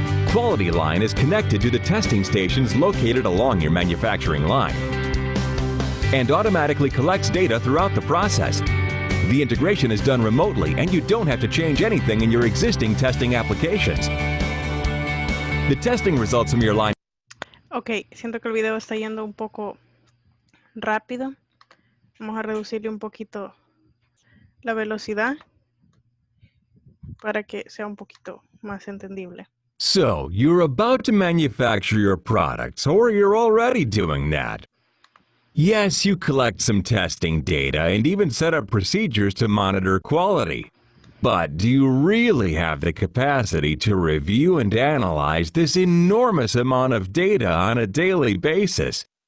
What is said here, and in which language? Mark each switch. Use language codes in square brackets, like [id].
[en] QualityLine is connected to the testing stations located along your manufacturing line and automatically collects data throughout the process. The integration is done remotely and you don't have to change anything in your existing testing applications. The testing results from your line. [es] Okay, siento que el video está yendo un poco rápido. Vamos a reducirle un poquito la velocidad para que sea un poquito más entendible. [en] So, you're about to manufacture your products, or you're already doing that. Yes, you collect some testing data and even set up procedures to monitor quality. But do you really have the capacity to review and analyze this enormous amount of data on a daily basis?